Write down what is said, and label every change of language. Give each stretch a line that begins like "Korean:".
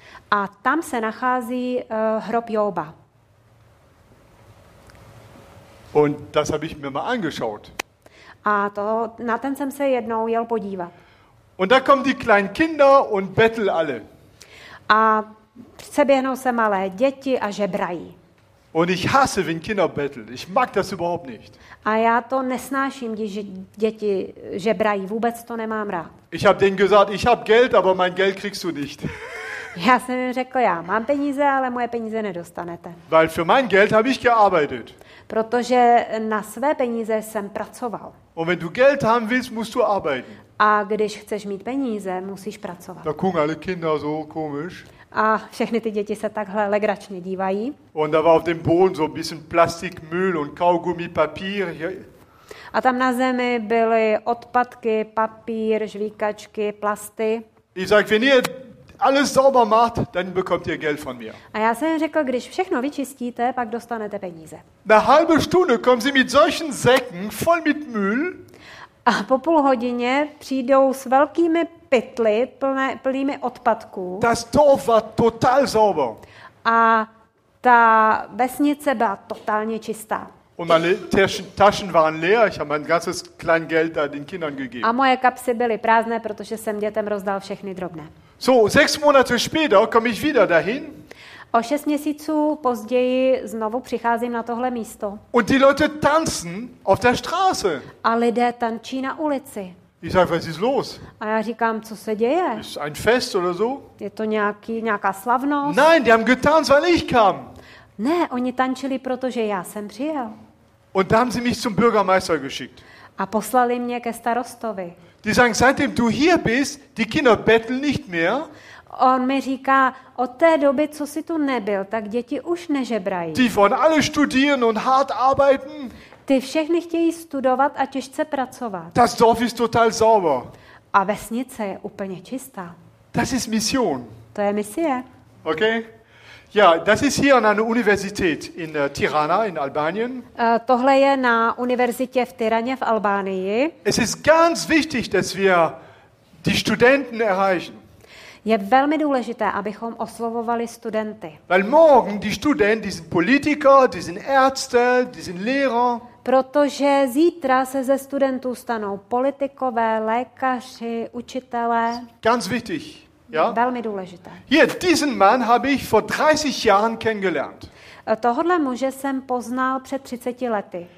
Czech: A tam se nachází hrob Joba.
German: Und das habe ich mir mal angeschaut.
Czech: A to, na ten jsem se jednou jel podívat.
German: Und da kommen die kleinen Kinder und betteln alle.
Czech: A přeběhnou se malé děti a žebrají.
German: Und ich hasse, wenn Kinder betteln. Ich mag das überhaupt nicht.
Czech: A já to nesnáším, když děti žebrají. Vůbec to nemám rád.
German: Ich habe denen gesagt, ich habe Geld, aber mein Geld kriegst du nicht.
Czech: Já jsem jim řekl, já mám peníze, ale moje peníze nedostanete.
German: Weil für mein Geld habe ich gearbeitet.
Czech: Protože na své peníze jsem pracoval.
German: Und wenn du Geld haben willst, musst du arbeiten.
Czech: A když chceš mít peníze, musíš pracovat.
German: Da gucken alle Kinder so komisch.
Czech: A všechny ty děti se takhle legračně dívají.
German: Und da war auf dem Boden so ein bisschen Plastikmüll und Kaugummipapier.
Czech: A tam na zemi byly odpadky, papír, žvíkačky, plasty.
German: Ich sag, wenn ihr alles sauber macht, dann bekommt ihr Geld von mir.
Czech: A já jsem řekl, když všechno vyčistíte, pak dostanete peníze.
German: Na halbe Stunde kommen sie mit solchen Säcken voll mit Müll.
Czech: A po půl hodině přijdou s velkými pytly plnými odpadků.
German: Das Dorf war total sauber.
Czech: A ta vesnice byla totálně čistá.
German: Und meine Taschen waren leer, ich habe mein ganzes Kleingeld da den Kindern gegeben.
Czech: A moje kapsy byly prázdné, protože jsem dětem rozdal všechny drobné.
German: So, 6 Monate später komme ich wieder dahin.
Czech: O 6 měsíců později znovu přicházím na tohle místo.
German: Und die Leute tanzen auf der Straße.
Czech: A lidé tančí na ulici.
German: Ich sage, was ist los?
Czech: A já říkám, co se děje?
German: Ist ein Fest oder so?
Czech: Je to nějaká slavnost?
German: Nein, die haben getanzt, weil ich kam.
Czech: Ne, oni tančili, protože já jsem přijel.
German: Und da haben sie mich zum Bürgermeister geschickt.
Czech: A poslali mě ke starostovi.
German: Die sagen, seitdem du hier bist, die Kinder betteln nicht mehr.
Czech: On mi říká, od té doby, co jsi tu nebyl, tak děti už nežebrají.
German: Die wollen alle studieren und hart arbeiten.
Czech: Ty všechny chtějí studovat a těžce pracovat.
German: Das Dorf ist total sauber.
Czech: A vesnice je úplně čistá.
German: Das ist Mission.
Czech: To je misie. Okay.
German: Ja, das ist hier an einer Universität in Tirana in Albanien.
Czech: Tohle je na univerzitě v Tiraně v Albánii.
German: Es ist ganz wichtig, dass wir die Studenten erreichen.
Czech: Je velmi důležité, abychom oslovovali studenty.
German: Weil morgen die Studenten, die sind Politiker, die sind Ärzte, die sind Lehrer.
Czech: Protože zítra se ze studentů stanou politikové, lékaři, učitelé.
German: Ganz wichtig. Ja?
Czech: Velmi důležité.
German: Hier, diesen Mann habe ich vor 30 Jahren kennengelernt.
Czech: Tohodle muže jsem poznal před 30 lety.